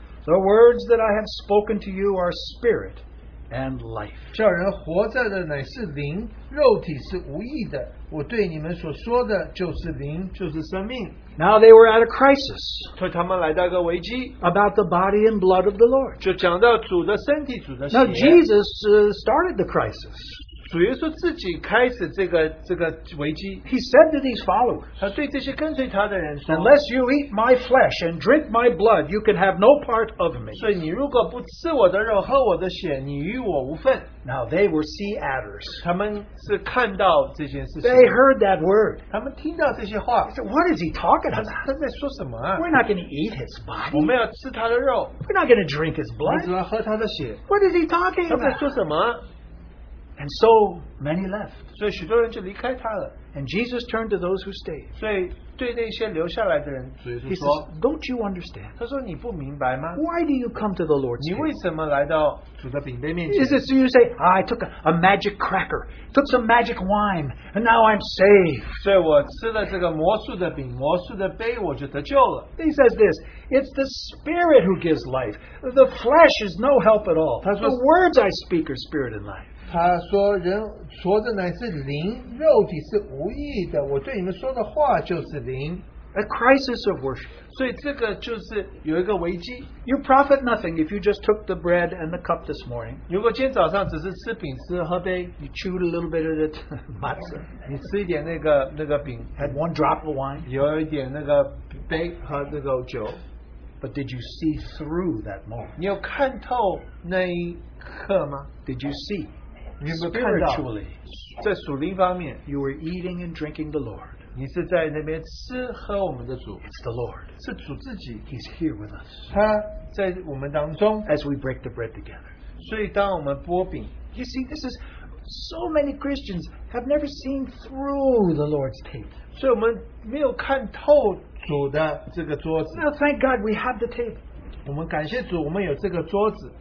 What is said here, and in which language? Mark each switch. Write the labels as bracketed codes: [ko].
[en] The words that I have spoken to you are spirit and life. [zh] 叫人活着的乃是灵,肉体是无益的。我对你们所说的就是灵,就是生命。 [en] Now they were at a crisis [zh] 对他们来到个危机, [en] about the body and blood of the Lord. [zh] 就讲到主的身体, [en] now Jesus started the crisis. [zh] 主耶稣自己开始这个危机, [en] he said to these followers, [zh] 他对这些跟随他的人说, [en] unless you eat my flesh and drink my blood, you can have no part of me. [zh] 所以你如果不吃我的肉,喝我的血, [en] now they were sea adders. [zh] 他们是看到这件事情, [en] they heard that word. [zh] 他们听到这些话, [en] they said, what is he talking about? [zh] 他在说什么啊? [en] We're not going to eat his body. [zh] 我们要吃他的肉, [en] we're not going to drink his blood. [zh] 我们只要喝他的血, [en] what is he talking about? [zh] 他在说什么? [en] And so many left. [zh] 所以许多人就离开他了。 [en] And Jesus turned to those who stayed. [zh] 所以对那些留下来的人, [en] he says, don't you understand? [zh] 他说你不明白吗? [en] Why do you come to the Lord's table? [zh] 你为什么来到主的饼杯面前? [en] Is it so you say, I took a magic cracker, took some magic wine, and now I'm saved. [zh] 所以我吃了这个魔术的饼,魔术的杯,我就得救了。 [en] He says this, it's the Spirit who gives life. The flesh is no help at all. [zh] 他说, [en] the words I speak are spirit and life. [zh] 他说人说的乃是灵,肉体是无益的,我对你们说的话就是灵。 [en] A crisis of worship. [zh] 所以这个就是有一个危机。 [en] You profit nothing if you just took the bread and the cup this morning. [zh] 如果今天早上只是吃饼,吃喝杯, [en] you chewed a little bit of it, [zh] 你吃一点那个饼, [en] had one drop of wine, [zh] 有一点那个杯,喝那个酒。 [en] But did you see through that moment? [zh] 你有看透那一刻吗? [en] Did you see? Spiritually, [zh] 在属灵方面, [en] you were eating and drinking the Lord. [zh] 你是在那边吃喝我们的主, [en] it's the Lord. [zh] 是主自己, [en] he's here with us. [zh] 他在我们当中, [en] as we break the bread together. [zh] 所以当我们拨饼, [en] you see, this is so many Christians have never seen through the Lord's table. [zh] 所以我们没有看透主的这个桌子。 [en] Now thank God we have the table. [zh] 我们感谢主,我们有这个桌子。